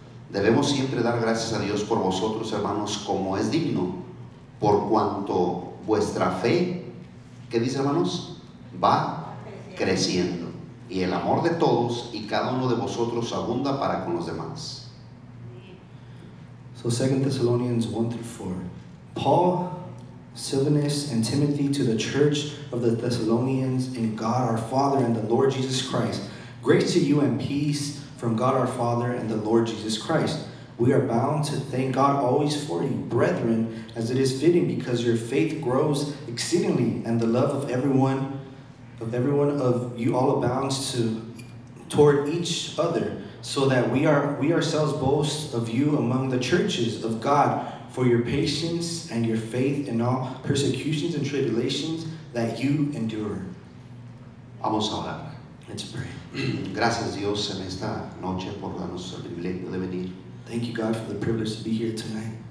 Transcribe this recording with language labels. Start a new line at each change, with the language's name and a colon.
Spanish: Debemos siempre dar gracias a Dios por vosotros, hermanos, como es digno, por cuanto vuestra fe, ¿qué dice, hermanos? Va creciendo, y el amor de todos y cada uno de vosotros abunda para con los demás.
English: So 2 Thessalonians 1-4. Paul, Silvanus, and Timothy to the church of the Thessalonians in God our Father and the Lord Jesus Christ. Grace to you and peace from God our Father and the Lord Jesus Christ. We are bound to thank God always for you, brethren, as it is fitting, because your faith grows exceedingly, and the love of everyone of you all abounds toward each other, so that we ourselves boast of you among the churches of God for your patience and your faith in all persecutions and tribulations that you endure.
Spanish: Vamos a orar.
English: Let's pray.
Spanish: Gracias Dios en esta noche por darnos el privilegio de venir.
English: Thank you God for the privilege to be here tonight.